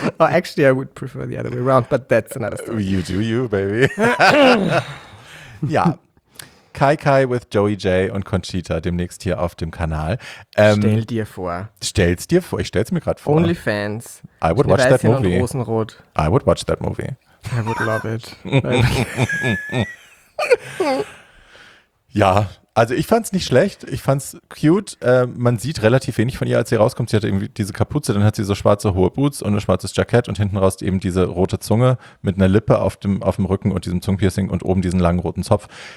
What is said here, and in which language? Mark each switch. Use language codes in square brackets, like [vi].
[en] Oh, actually, I would prefer the other way around, but that's another story. You do you, baby. [de] Ja. Kai Kai with Joey J und Conchita demnächst hier auf dem Kanal. Stell dir vor. Stell's dir vor. Ich stell's mir gerade vor. [en] Only fans. I would watch that movie. [de] Und Rosenrot. [en] I would watch that movie. I would love it. [de] Ja, also ich fand's nicht schlecht. Ich fand's cute. Man sieht relativ wenig von ihr, als sie rauskommt. Sie hat irgendwie diese Kapuze, dann hat sie so schwarze hohe Boots und ein schwarzes Jackett und hinten raus eben diese rote Zunge mit einer Lippe auf dem Rücken und diesem Zungenpiercing und oben diesen langen roten Zopf.